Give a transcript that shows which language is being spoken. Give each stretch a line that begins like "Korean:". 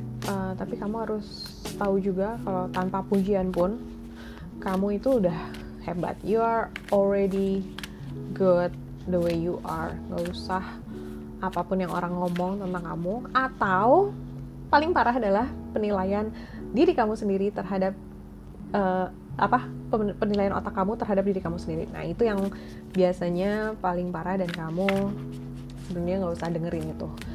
Indonesian: Tapi kamu harus tahu juga kalau tanpa pujian pun kamu itu udah hebat.
English: You are already good the way you are.
Indonesian: Gak usah apapun yang orang ngomong tentang kamu. Atau paling parah adalah penilaian diri kamu sendiri terhadap penilaian otak kamu terhadap diri kamu sendiri. Nah, itu yang biasanya paling parah, dan kamu sebenarnya gak usah dengerin itu.